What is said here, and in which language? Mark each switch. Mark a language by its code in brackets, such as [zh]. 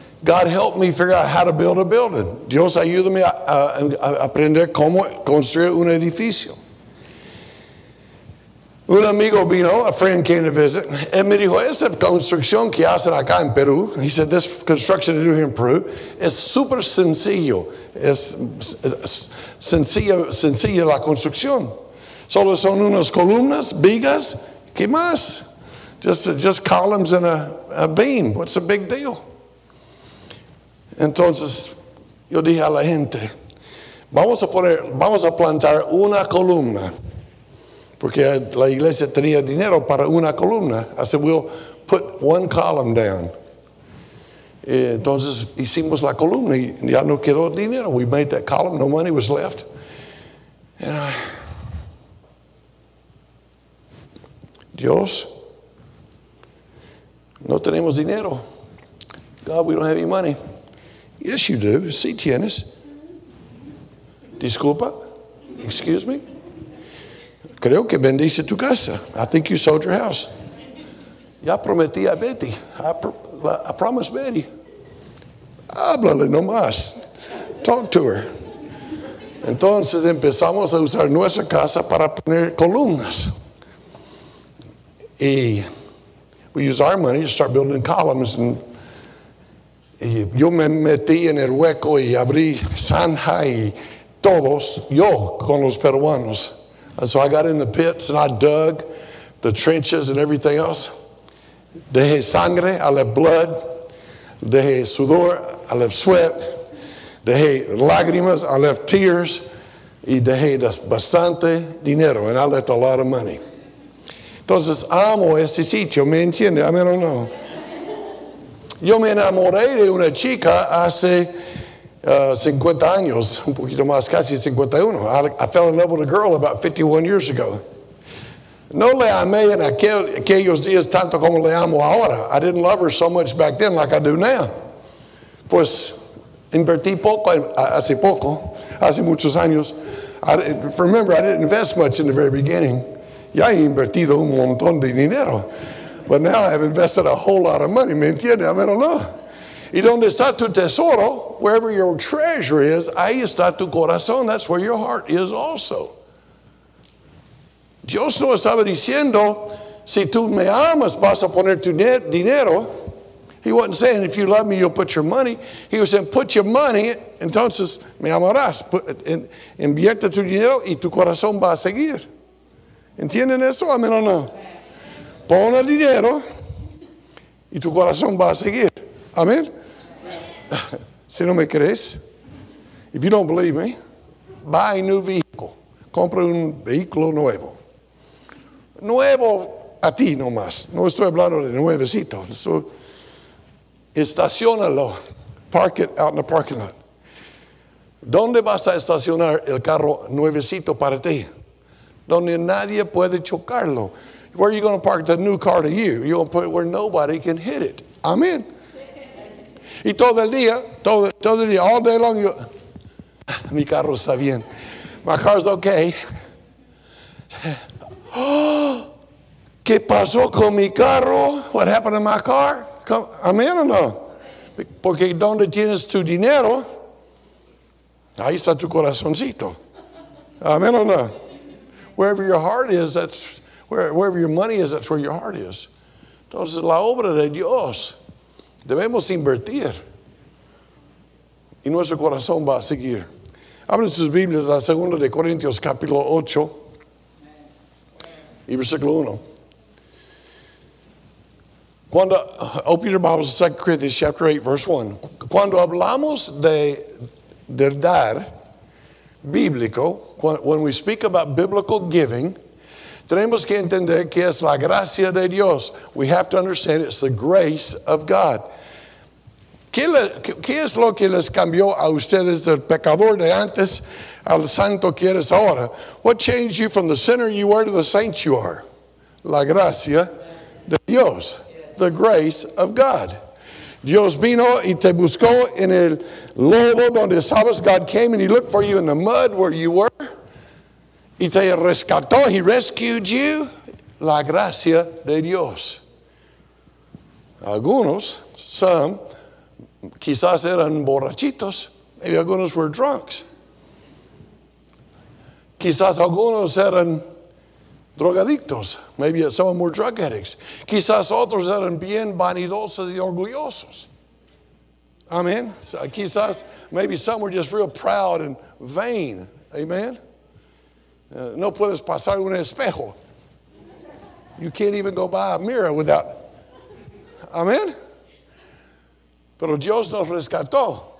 [en] God, help me figure out how to build a building. [es] Dios, ayúdame a aprender cómo construir un edificio. Un amigo vino, [en] a friend came to visit. [es] Él me dijo, esa construcción que hacen acá en Perú. [en] He said, this construction they do here in Peru is super [es] sencillo. es sencilla, sencilla la construcción. Solo son unas columnas, vigas, ¿qué más? [en] Just columns and a beam. What's the big deal? [es] Entonces, yo dije a la gente, vamos a plantar una columna. Porque la iglesia tenía dinero para una columna. [en] I said, we'll put one column down. [es] Y entonces, hicimos la columna y ya no quedó dinero. [en] We made that column, no money was left. And [es] Dios, no tenemos dinero. [en] God, we don't have any money. Yes, you do. [es] Sí tienes. Disculpa. [en] Excuse me. [es] Creo que bendice tu casa. [en] I think you sold your house. [es] Ya prometí a Betty. [en] I promised Betty. [es] Háblale nomás. [en] Talk to her. [es] Entonces empezamos a usar nuestra casa para poner columnas. [en] Y we use our money to start building columns. [es] And yo me metí en el hueco y abrí zanja y todos, yo con los peruanos. [en] And so I got in the pits and I dug the trenches and everything else. [es] Dejé sangre, [en] I left blood. [es] Dejé sudor, [en] I left sweat. [es] Dejé lágrimas, [en] I left tears. [es] Y dejé bastante dinero, [en] and I left a lot of money. [es] Entonces, amo este sitio, ¿me entiende? [en] I don't know. [es] Yo me enamoré de una chica hace 50 años, un poquito más, casi 51. [en] I fell in love with a girl about 51 years ago. [es] No le amé en aquellos días tanto como le amo ahora. [en] I didn't love her so much back then like I do now. [es] Pues, invertí poco, hace muchos años. [en] Remember, I didn't invest much in the very beginning. [es] Ya he invertido un montón de dinero. [en] But now I have invested a whole lot of money, [es] ¿me entiende? [en] I don't know. [es] Y donde está tu tesoro, [en] wherever your treasure is, [es] ahí está tu corazón. [en] That's where your heart is also. [es] Dios no estaba diciendo, si tú me amas, vas a poner tu dinero. [en] He wasn't saying, if you love me, you'll put your money. He was saying, put your money, [es] entonces me amarás. Invierte tu dinero y tu corazón va a seguir. ¿Entienden eso? [en] I don't know. [es] Pon el dinero y tu corazón va a seguir. Amén. Si no me crees, [en] if you don't believe me, buy a new vehicle. [es] Compra un vehículo nuevo. Nuevo a ti nomás. No estoy hablando de nuevecito. So, estacionalo. [en] Park it out in the parking lot. [es] ¿Dónde vas a estacionar el carro nuevecito para ti? Donde nadie puede chocarlo. [en] Where are you going to park the new car to you? You're going to put it where nobody can hit it. Amen. [es] Y todo el día, [en] all day long, [es] mi carro está bien. [en] My car's okay. [es] Oh, ¿qué pasó con mi carro? [en] What happened to my car? Amen or no? [es] Porque donde tienes tu dinero, ahí está tu corazoncito. [en] Amen or no? Wherever your heart is, that's wherever your money is, that's where your heart is. [es] Entonces, la obra de Dios, debemos invertir. Y nuestro corazón va a seguir. Abren sus Biblias a 2 de Corintios, capítulo 8, y versículo 1. [en] Cuando, open your Bibles, 2 Corinthians, chapter 8, verse 1. [es] Cuando hablamos de dar, bíblico, [en] when we speak about biblical giving, [es] tenemos que entender que es la gracia de Dios. [en] We have to understand it's the grace of God. [es] ¿Qué es lo que les cambió a ustedes del pecador de antes al santo que eres ahora? [en] What changed you from the sinner you were to the saint you are? [es] La gracia de Dios. [en] The grace of God. [es] Dios vino y te buscó en el lodo donde sabes. [en] God came and he looked for you in the mud where you were. [es] Y te rescató, [en] he rescued you, [es] la gracia de Dios. Algunos, [en] some, [es] quizás eran borrachitos, [en] maybe [es] algunos [en] were drunks. [es] Quizás algunos eran drogadictos, [en] maybe some were drug addicts. [es] Quizás otros eran bien vanidosos y orgullosos. Amen. Quizás, [en] maybe some were just real proud and vain. Amen. [es] No puedes pasar un espejo. [en] You can't even go by a mirror without. [es] Amen. Pero Dios nos rescató.